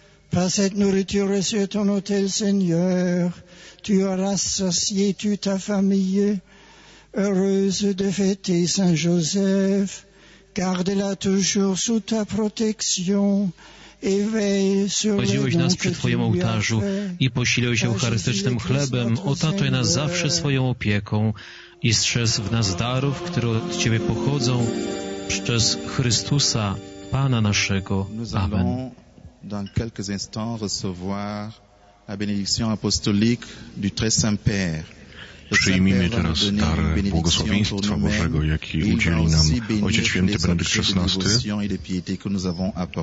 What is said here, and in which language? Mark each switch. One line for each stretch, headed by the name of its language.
French: Par cette nourriture reçue ton hôtel, Seigneur, tu as rassasié toute ta famille. Heureuse de fêter Saint-Joseph, garde-la toujours sous ta protection et veille sur le
Polish: don nas przy Twoim ołtarzu i posiliłeś eucharystycznym chlebem. Otatuj nas zawsze swoją opieką i strzeż w nas darów, które od Ciebie pochodzą, przez Chrystusa, Pana naszego. Amen.
French: Dans quelques instants recevoir la bénédiction apostolique du très saint père.
Polish: Przyjmijmy teraz dar błogosławieństwa Bożego, jaki udzieli nam Ojciec Święty Benedykt XVI.